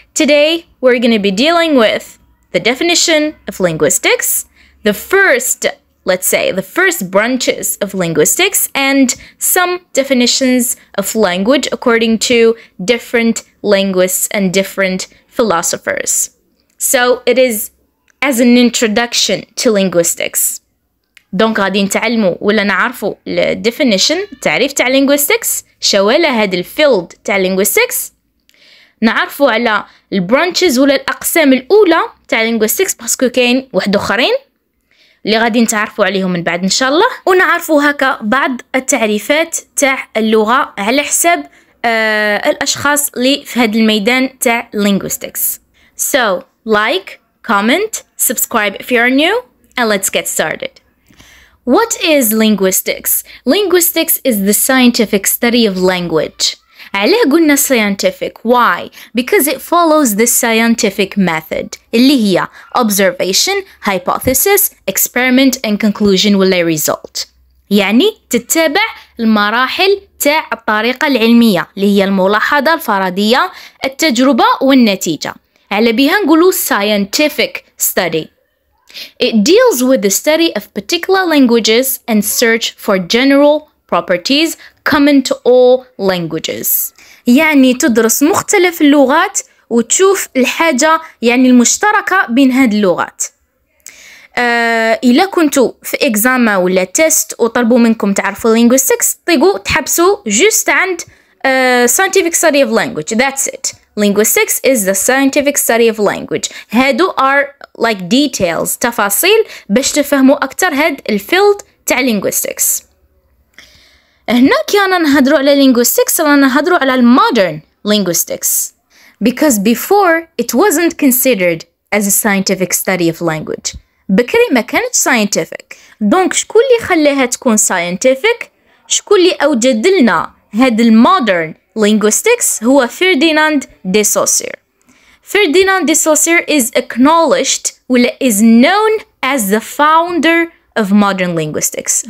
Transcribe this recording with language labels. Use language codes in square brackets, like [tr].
[en] Today we're going to be dealing with the definition of linguistics, the first branches of linguistics and some definitions of language according to different linguists and different philosophers. So it is as an introduction to linguistics. [ar] دونك غادي نتعلمو ولا نعرفو الديفينيشن تعريف تاع لينغويستكس شوالا هاد الفيلد تاع لينغويستكس نعرفو على البرانشز ولا الاقسام الاولى تاع لينغويستكس باسكو كاين واحد اخرين اللي غادي نتعرفو عليهم من بعد ان شاء الله ونعرفو هكا بعض التعريفات تاع اللغة على حساب الاشخاص اللي في هاد الميدان تاع لينغويستكس [en] So like, comment, subscribe if you're new and let's get started. What is linguistics? Linguistics is the scientific study of language. [ar] علاه قلنا scientific? [en] Why? Because it follows the scientific method. اللي هي observation, hypothesis, experiment and conclusion ولا result. [ar] يعني تتبع المراحل تاع الطريقة العلمية اللي هي الملاحظة الفردية التجربة والنتيجة. على بها نقولو scientific study. [en] It deals with the study of particular languages and search for general properties common to all languages. [ar] يعني تدرس مختلف اللغات وتشوف الحاجة يعني المشتركة بين هاد اللغات. إلا كنتوا في إكزاما ولا تيست وطلبوا منكم تعرفوا linguistics طيقوا تحبسوا just عند scientific study of language. [en] That's it. Linguistics is the scientific study of language. [ar] هادو [en] are like details, [ar] تفاصيل باش تفهموا أكتر هاد الفيلد تاع linguistics. هنا كي أنا نهضروا على linguistics أنا نهضروا على modern linguistics. [en] Because before it wasn't considered as a scientific study of language. [ar] بكري ما كانت scientific. دونك شكون اللي خلاها تكون scientific؟ شكون اللي أوجد لنا هاد modern linguistics هو فرديناند دي سوسير. [en] Ferdinand de Saussure is acknowledged [ar] ولا [en] is known as the founder of modern linguistics.